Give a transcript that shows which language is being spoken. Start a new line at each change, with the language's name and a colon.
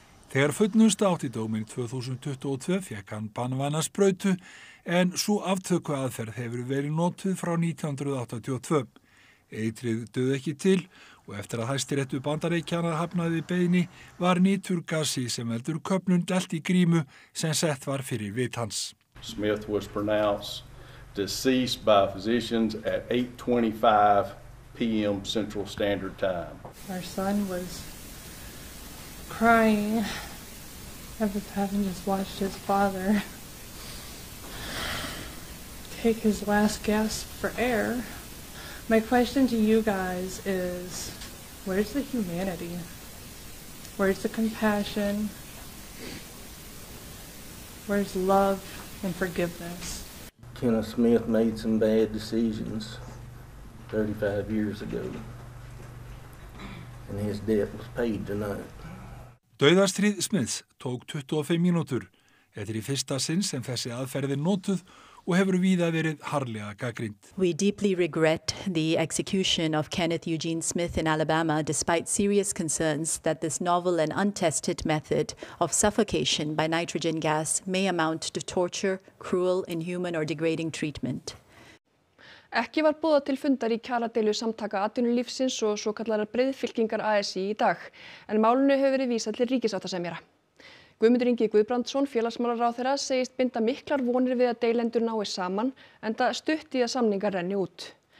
Icelandic: Þegar fullnusta átti dóminn 2022 fékk hann banvæna sprautu en sú aftöku aðferð hefur verið notuð frá 1982. Eitrið dugði ekki til og eftir að Hæstiréttu Bandaríkjanna hafnaði beiðni var nítúrgasi sem heldur köfnun dælt í grímu sem sett var fyrir vit hans.
English: Smith was pronounced deceased by physicians at 8:25 p.m. Central Standard Time. Our son was crying. Everybody just watched his father take his last gasp for air. My question to you guys is, where's the humanity? Where's the compassion? Where's love and forgiveness? Kenneth Smith made some bad decisions 35 years ago. And his debt was paid tonight.
Icelandic: Dauðastríð Smiths tók 25 mínútur. Þetta í fyrsta sinn sem þessi aðferði notuð og hefur víða verið harlega gagnrýnd.
English: We deeply regret the execution of Kenneth Eugene Smith in Alabama despite serious concerns that this novel and untested method of suffocation by nitrogen gas may amount to torture, cruel, inhuman or degrading treatment.
Icelandic: Ekki var boðað til fundar í kjaradeilu samtaka atvinnulífsins og svo kallar breiðfylkingar ASI í dag, en málinu hefur verið vísað til ríkissáttasemjara. Guðmundur Ingi Guðbrandsson, félagsmálaráðherra, segist binda miklar vonir við að deilendur nái saman, enda stutt í að samningar renni út.